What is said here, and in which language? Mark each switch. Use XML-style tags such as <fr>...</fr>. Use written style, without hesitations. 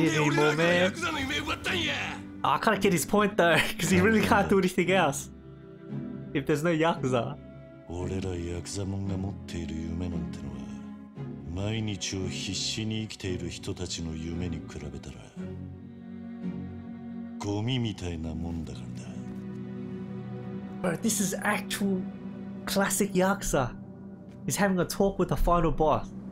<ja>自分が一番強いということを証明して勝ち誇りたい。そんなもんだ。せやったら、なんで大解散なんぞに手貸したんや。なんでヤクザの夢奪ったんや。</ja> <en>I kind of get his point though, because he really can't do anything else. If there's no Yakuza.</en> <ja>俺らヤクザモンが持っている夢なんてのは。毎日を必死に生きている人たちの夢に比べたらゴミみたいなもんだからだ。</ja> <en>But this is actual classic Yakuza. He's having a talk with the final boss.</en>